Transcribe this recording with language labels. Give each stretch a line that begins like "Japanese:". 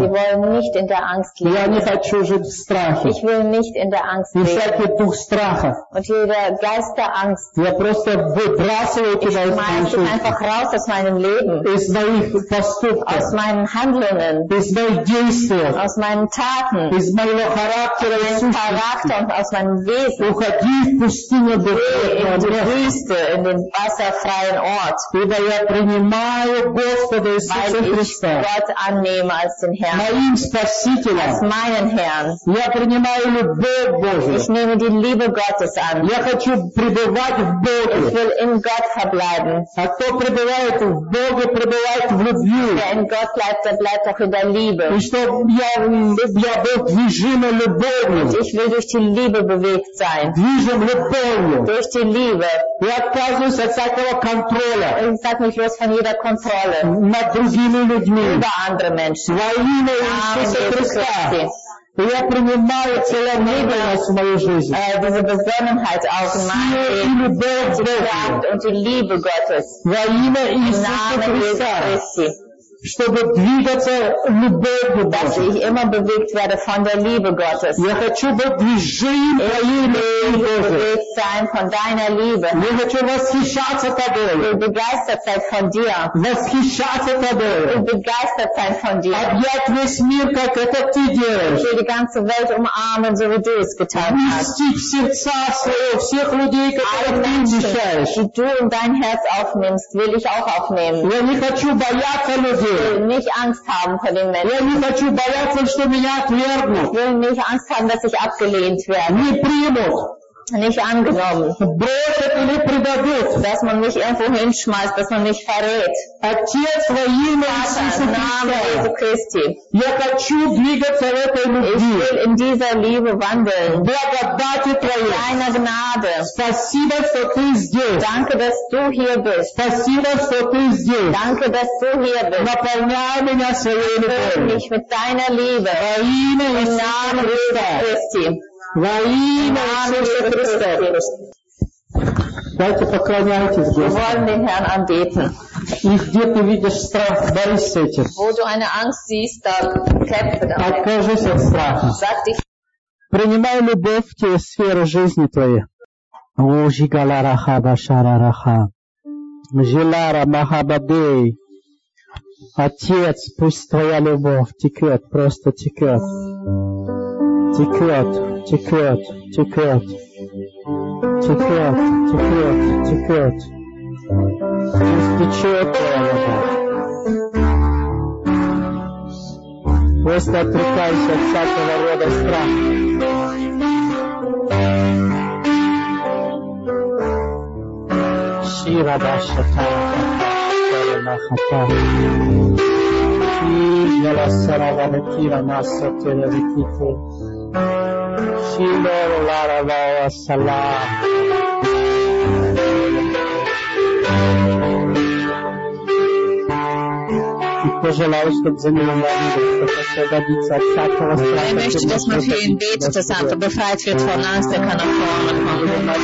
German: Wir wollen nicht in der Angst leben.
Russian: Я не хочу жить в страхе.
German: Ich will nicht in der Angst leben.
Russian: И всякий дух страха.
German: Und jeder Geist der Angst.
Russian: Я просто выбрасываю тебя из моей жизни.
German: Ich schmeiß einfach raus aus meinem Leben.
Russian: Из моих поступков.
German: Aus meinen Handlungen.
Russian: Из моих действий.
German: Aus meinen Taten.
Russian: Из моего характера и сущности.
German: Charakter und aus meinem Wesen.
Russian: Уходи в пустыню,
German: Wüste, in den wasserfreien Ort.
Russian: Ибо я принимаю Господа Иисуса Христа.
German: Gott annehme als den Herrn. Als meinen Herrn.
Russian: Я принимаю любовь Божию.
German: Ich nehme die Liebe Gottes an.
Russian: Я хочу пребывать в Боге.
German: Ich will in Gott verbleiben.
Russian: А кто пребывает в Боге, пребывает в любви.
German: Wer in Gott bleibt, der bleibt auch in der Liebe.
Russian: И что я был движим любовью.
German: Und ich will durch die Liebe bewegt sein.
Russian: Движим любовью.
German: Durch die Liebe.
Russian: Я отказываюсь от всякого контроля.
German: Und sag mich los von jeder Kontrolle.
Russian: Над другими людьми.
German: Über andere Menschen.
Russian: Во имя Иисуса Христа. И я принимаю целое небо у нас в моей жизни.
German: Diese Besonnenheit auch in meinem Leben. Und die Kraft und die Liebe Gottes.
Russian: Во имя Иисуса Христа. Чтобы двигаться любовью Божьей.
German: Dass ich immer bewegt werde von der Liebe Gottes.
Russian: Я хочу быть движим твоей любви Божьей.
German: Bewegt sein von deiner Liebe.
Russian: Я хочу восхищаться тобой.
German: Ich begeistert sein von dir.
Russian: Восхищаться тобой.
German: Ich begeistert sein von dir.
Russian: Объять весь мир, как это ты делаешь.
German: Die ganze Welt umarmen, so wie du es getan hast.
Russian: Вести в сердца всех людей, которых ты вмещаешь.
German: Die du in dein Herz aufnimmst, will ich auch aufnehmen.
Russian: Я не хочу бояться людей.
German: Nicht Angst haben vor den Menschen.
Russian: Я не хочу бояться, что меня отвергнут.
German: Ich will nicht Angst haben, dass ich abgelehnt werde.
Russian: Не примут.
German: Nicht angenommen.
Russian: Бросят или предадут.
German: Dass man mich irgendwo hinschmeißt, dass man mich verrät.
Russian: Отец во имя Иисуса Христа. Я хочу двигаться в этой любви.
German: Ich will in dieser Liebe wandeln.
Russian: Благодати твоей.
German: Deiner Gnade.
Russian: Спасибо, что ты здесь.
German: Danke, dass du hier bist.
Russian: Спасибо, что ты здесь.
German: Danke, dass du hier bist.
Russian: Наполняй меня своей любовью.
German: Fülle mich mit deiner Liebe.
Russian: Во имя Иисуса Христа. Во имя Иисуса Христа. Давайте поклоняйтесь Господу. И где ты видишь страх, борись с этим.
German: Wo du eine Angst siehst, da kämpfe damit.
Russian: Откажись от страха. Принимай любовь в те сферы жизни твоей. О, жигала раха башара раха. Жилара махабадей. Отец, пусть твоя любовь текет, просто текет. Текет. Текет, текет, текет, текет, текет. Пусть течет твоя любовь. Пусть отрекайся от всякого рода страх. Шива баша тарана хатара. Шива ласара ванатира наса тире викиту. Shiloh laravah salam.
German: Ich
Russian: пожелаю, чтобы за него молились.
German: Er möchte, dass man für ihn betet, dass er befreit wird von Angst, er kann auch vorne kommen.